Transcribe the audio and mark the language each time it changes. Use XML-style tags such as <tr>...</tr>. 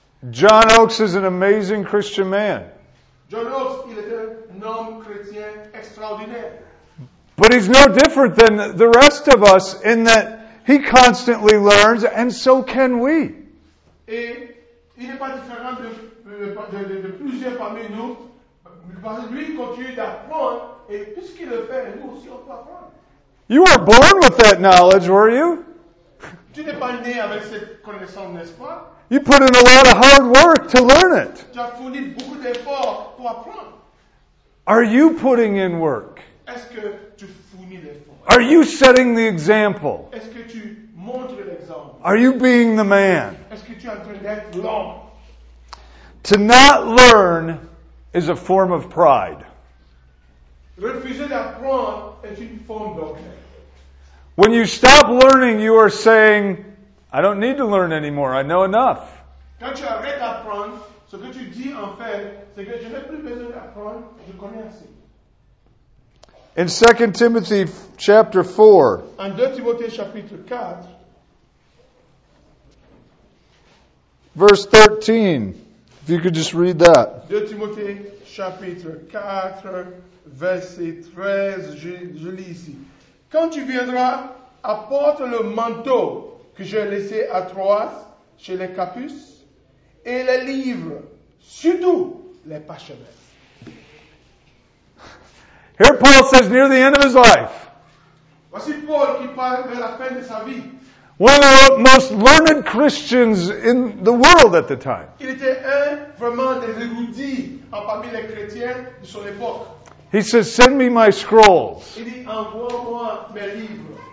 <en>John Oakes is an amazing Christian man.</en> <fr>John Oakes, il est un homme chrétien extraordinaire.</fr> <en>But he's no different than the rest of us in that he constantly learns, and so can we.</en> <fr>Et il n'est pas différent de plusieurs parmi nous. Parce que lui continue d'apprendre, et puisqu'il le fait, nous aussi on peut apprendre.</fr> <en>You were born with that knowledge, were you?</en> <fr>Tu n'es pas né avec cette connaissance, n'est-ce pas?</fr> <en>You put in a lot of hard work to learn it.</en> <fr>Tu as fourni beaucoup d'efforts pour apprendre.</fr> <en>Are you putting in work?</en> <fr>Est-ce que tu fournis l'effort?</fr> <en>Are you setting the example?</en> <fr>Est-ce que tu montres l'exemple?</fr> <en>Are you being the man?</en> <fr>Est-ce que tu es en train d'être l'homme?</fr> <en>To not learn is a form of pride.</en> <fr>Refuser d'apprendre est une forme d'orgueil.</fr> <en>When you stop learning, you are saying, I don't need to learn anymore, I know enough.</en> <fr>Quand tu arrêtes d'apprendre, ce que tu dis en fait, c'est que je n'ai plus besoin d'apprendre, je connais assez.</fr> <en>In 2 Timothy chapter 4,</en> <fr>en 2 Timothée chapitre 4,</fr> <en>verse 13, if you could just read that.</en> <fr>2 Timothée chapitre 4, verset 13, je lis ici. Quand tu viendras, apporte le manteau que j'ai laissé à Troas chez les Capus et les livres, surtout les parchemins.</fr> <en>Here Paul says near the end of his life.</en> <fr>Voici Paul qui parle de la fin de sa vie.</fr> <en>One of the most learned Christians in the world at the time.</en> <fr>Il était un vraiment des érudits parmi les chrétiens de son époque.</fr> <en>He says, send me my scrolls.</en> <fr>Il dit, envoie-moi mes livres.</fr>